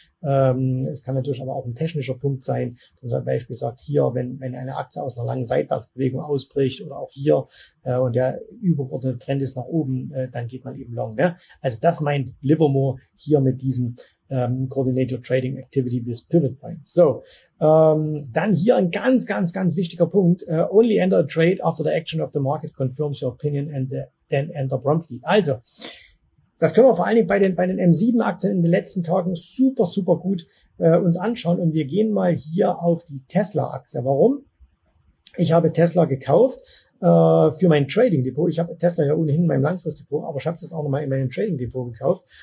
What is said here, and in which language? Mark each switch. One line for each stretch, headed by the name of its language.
German: Es kann natürlich aber auch ein technischer Punkt sein, dass man zum Beispiel sagt, hier, wenn eine Aktie aus einer langen Seitwärtsbewegung ausbricht oder auch hier und der übergeordnete Trend ist nach oben, dann geht man eben long. Ne? Also das meint Livermore hier mit diesem
English: Coordinate your trading activity with pivot point.
German: So, dann hier ein ganz, ganz, ganz wichtiger Punkt.
English: Only enter a trade after the action of the market confirms your opinion and then enter promptly.
German: Also, das können wir vor allen Dingen bei den M7 Aktien in den letzten Tagen super, super gut uns anschauen. Und wir gehen mal hier auf die Tesla Aktie. Warum? Ich habe Tesla gekauft für mein Trading Depot. Ich habe Tesla ja ohnehin in meinem Langfristdepot, aber ich habe es jetzt auch nochmal in meinem Trading Depot gekauft.